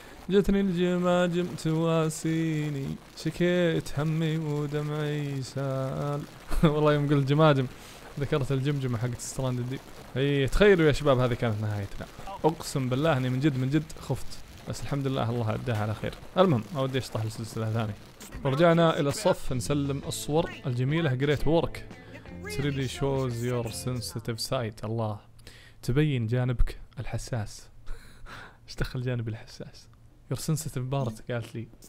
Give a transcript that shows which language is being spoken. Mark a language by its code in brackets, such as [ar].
[ar] جتني الجماجم تواسيني شكيت همي ودمعي سال. والله يوم قلت جماجم ذكرت الجمجمة حقت ستراند ديب. اي تخيلوا يا شباب هذه كانت نهايتنا. اقسم بالله اني من جد خفت بس الحمد لله الله عداها على خير. المهم ما ودي اشطح السلسلة ثاني. ورجعنا الى الصف نسلم الصور الجميلة. [en] great work it really shows your sensitive side. [ar] الله تبين جانبك الحساس. ايش دخل جانبي الحساس؟ [en] your sensitive part [ar] قالت لي.